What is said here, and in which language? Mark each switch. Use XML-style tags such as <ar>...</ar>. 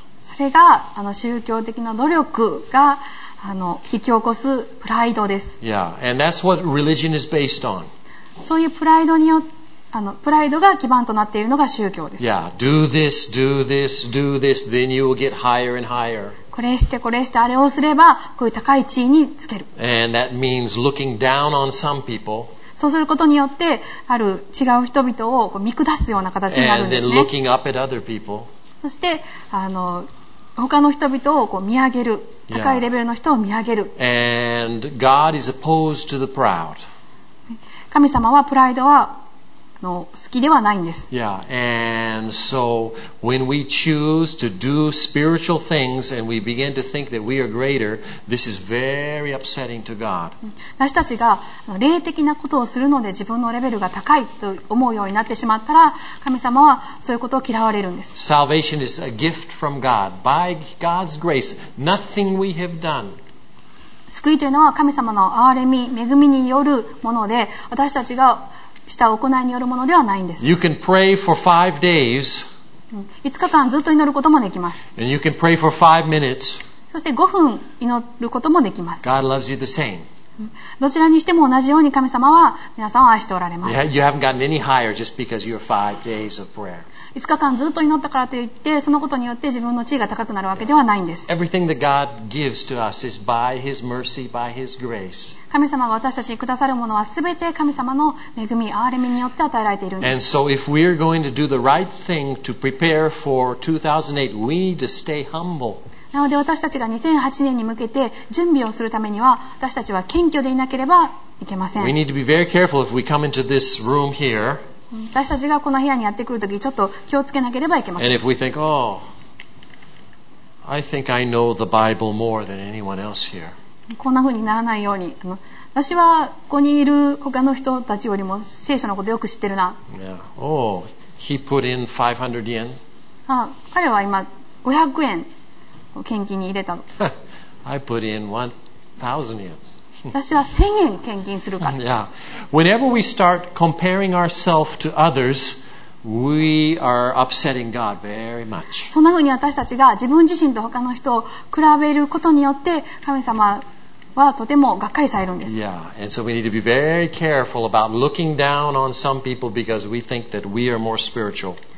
<ja>それが宗教的な努力が引き起こすプライドです。</ja> <en>Yeah, and that's what religion is based on.</en> <ja>そういうプライドによってプライドが基盤となっているのが宗教です。</ja> <en>Yeah, do this, do this, do this, then you will get higher and higher.</en> <ja>これしてこれしてあれをすればこういう高い地位につける。</ja> <en>And that means looking down on some people.</en> <ja>そうすることによってある違う人々をこう見下すような形になるんですね。</ja> <en>And then looking up at other people.</en> <ja>そして他の人々をこう見上げる、高いレベルの人を見上げる。</ja> <en>Yeah. And God is opposed to the proud.</en> <ja>神様はプライドは好きではないんです。</ja> <en>Yeah, and so when we choose to do spiritual things and we begin to think that we are greater, this is very upsetting to God.</en> <ja>私たちが霊的なことをするので自分のレベルが高いと思うようになってしまったら、神様はそういうことを嫌われるんです。</ja> <en>Salvation is a gift from God by God's grace, nothing we have done.</en> <ja>救いというのは神様の憐れみ、恵みによるもので、私たちがした行いによるものではないんです。</ja> <en>You can pray for 5 days.</en> <ja>5日間ずっと祈ることもできます。</ja> <en>And you can pray for 5 minutes.</en> <ja>そして5分祈ることもできます。</ja> <en>God loves you the same.</en> <ja>どちらにしても同じように神様は皆さんを愛しておられます。</ja> <en>You haven't gotten any higher just because you're 5 days of prayer.</en> <ja>5日間ずっと祈ったからといって、そのことによって自分の地位が高くなるわけではないんです。</ja> <en>Everything that God gives to us is by His mercy, by His grace.</en> <ja>神様が私たちにくださるものは、すべて神様の恵み、憐れみによって与えられているんです。</ja> <en>And so if we are going to do the right thing to prepare for 2008, we need to stay humble.</en> <ja>なので私たちが2008年に向けて準備をするためには、私たちは謙虚でいなければいけません。</ja> <en>We need to be very careful if we come into this room here.</en> <ja>私たちがこの部屋にやってくるとき、ちょっと気をつけなければいけません。</ja> <en>And if we think, oh, I think I know the Bible more than anyone else here.</en> <ja>こんな風にならないように、私はここにいる他の人たちよりも聖書のことよく知ってるな。</ja> <en>Yeah. Oh, he put in 500 yen.</en> <ja>彼は今500円。献金に入れたの。</ja> <en>I put in 1,000 yen.</en> <ja>私は1000円献金するから。</ja> <en>Yeah. Whenever we start comparing ourselves to others, we are upsetting God very much.</en> <ja>そんな風に私たちが自分自身と他の人を比べることによって、神様はとてもがっかりされるんです。</ja> <en>Yeah. And so we need to be very careful about looking down on some people because we think that we are more spiritual.</en>